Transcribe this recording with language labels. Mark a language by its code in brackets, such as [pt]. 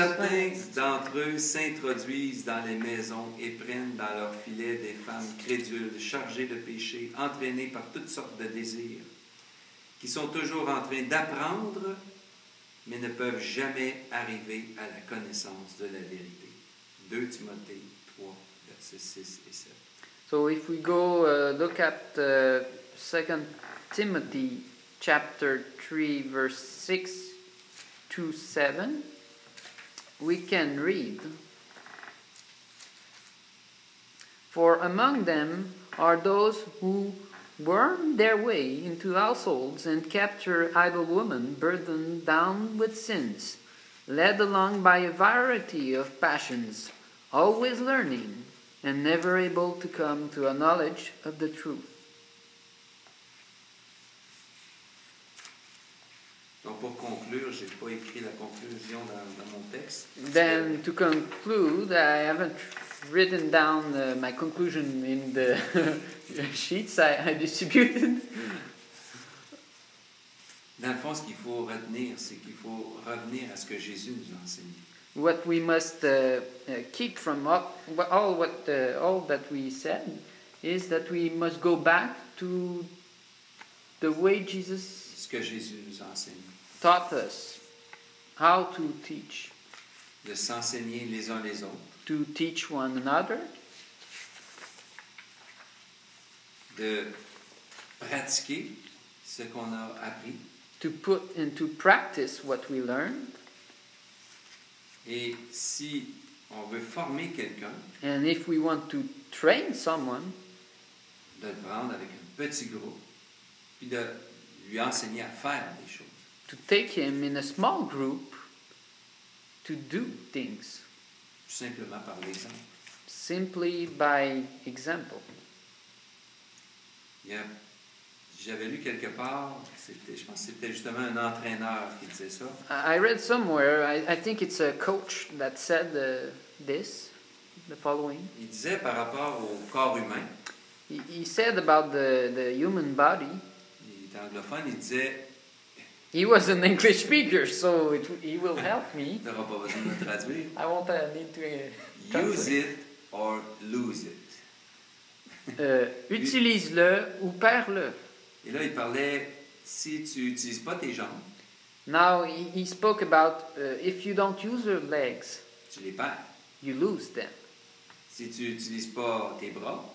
[fr] Certains d'entre eux s'introduisent dans les maisons et prennent dans leur filet des femmes crédules, chargées de péchés, entraînées par toutes sortes de désirs, qui sont toujours en train d'apprendre, mais ne peuvent jamais arriver à la connaissance de la vérité. 2 Timothée 3, versets 6 et 7. [en] So if we go look at 2 Timothy chapter 3, verse 6 to 7, we can read, "For among them are those who worm their way into households and capture idle women burdened down with sins, led along by a variety of passions, always learning and never able to come to a knowledge of the truth." [fr] Donc pour conclure, j'ai pas écrit la conclusion dans mon texte. [en] Then to conclude, I haven't written down my conclusion in the sheets I distributed. [fr] Dans le fond, ce qu'il faut retenir, c'est qu'il faut revenir à ce que Jésus nous a enseigné. [en] What we must keep from all that we said is that we must go back to the way Jesus [fr] ce que Jésus nous a enseigné. [en] Taught us how to teach. [fr] De s'enseigner les uns les autres. [en] To teach one another. [fr] De pratiquer ce qu'on a appris. [en] To put into practice what we learned. [fr] Et si on veut former quelqu'un, [en] and if we want to train someone, [fr] de le prendre avec un petit groupe, puis de lui enseigner à faire des choses. [en] To take him in a small group to do things. [fr] Simplement par l'exemple. [en] Simply by example. Yep. [fr] J'avais lu quelque part, c'était, je pense que c'était justement un entraîneur qui disait ça. [en] I read somewhere, I think it's a coach that said this, the following. [fr] Il disait par rapport au corps humain. [en] He said about the human body. [fr] Il était anglophone, il disait... [en] He was an English speaker, so he will help me. [fr] Tu n'auras pas besoin de le traduire. [en] I won't need to translate. Use it or lose it. [fr] Utilise-le ou perds-le. Et là, il parlait, si tu n'utilises pas tes jambes. [en] Now, he spoke about, if you don't use your legs. [fr] Tu les perds. [en] You lose them. [fr] Si tu n'utilises pas tes bras.